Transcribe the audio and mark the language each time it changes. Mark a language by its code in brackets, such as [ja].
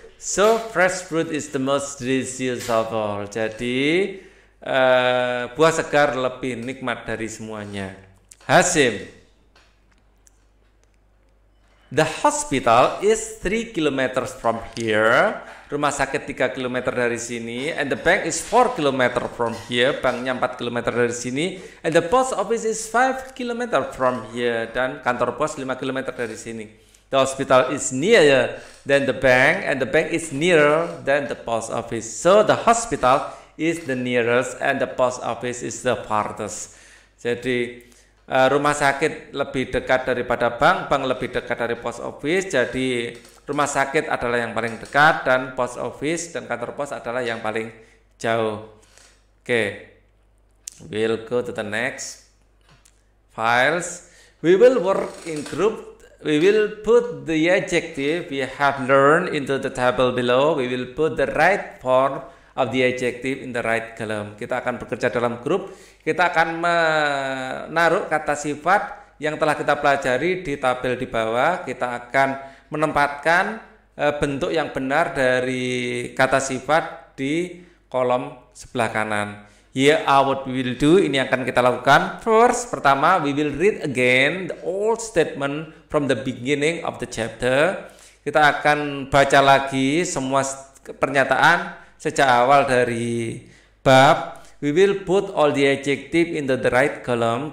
[en] So fresh fruit is the most delicious of all. [id] Jadi buah segar lebih nikmat dari semuanya. [en] Hasim, the hospital is 3 kilometers from here. [id] Rumah sakit 3 kilometer dari sini. [en] And the bank is 4 kilometers from here. [id] Banknya 4 kilometer dari sini. [en] And the post office is 5 kilometers from here. [id] Dan kantor pos 5 kilometer dari sini. [en] The hospital is nearer than the bank, and the bank is nearer than the post office. So the hospital is the nearest, and the post office is the farthest. [id] Jadi rumah sakit lebih dekat daripada bank, bank lebih dekat dari post office. Jadi rumah sakit adalah yang paling dekat, dan post office dan kantor pos adalah yang paling jauh. [en] Oke, we'll go to the next files. We will work in group. We will put the adjective we have learned into the table below. We will put the right form of the adjective in the right column. [id] Kita akan bekerja dalam grup. Kita akan menaruh kata sifat yang telah kita pelajari di tabel di bawah. Kita akan menempatkan bentuk yang benar dari kata sifat di kolom sebelah kanan. [en] Yeah, what we will do, [id] ini akan kita lakukan. [en] First, [id] pertama, [en] we will read again the old statement from the beginning of the chapter. [id] Kita akan baca lagi semua pernyataan sejak awal dari bab. [en] We will put all the adjective into the right column.